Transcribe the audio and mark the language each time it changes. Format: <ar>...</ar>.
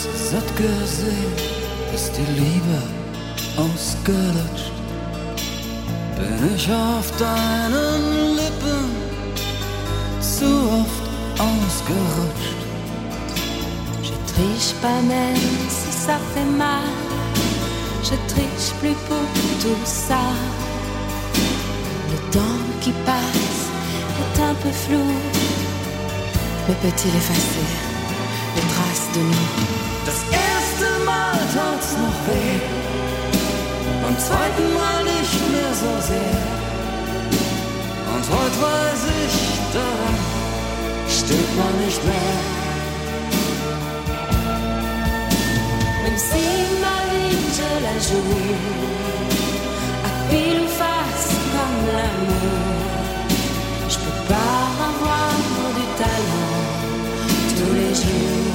<de>Satt gesehen ist die Liebe ausgelutscht. Bin ich auf deinen Lippen zu oft ausgerutscht.</de> <fr>Je triche pas même si ça fait mal. Je triche plus pour tout ça. Le temps qui passe est un peu flou. Mais peut-il effacer les traces de nous?</fr> <de>Das erste Mal tat's noch weh, beim zweiten Mal nicht mehr so sehr. Und heute weiß ich daran, stimmt man nicht mehr.</de> <fr>Même si ma vie je la joue, à pile ou face comme l'amour, je peux pas avoir du talent tous les jours.</fr>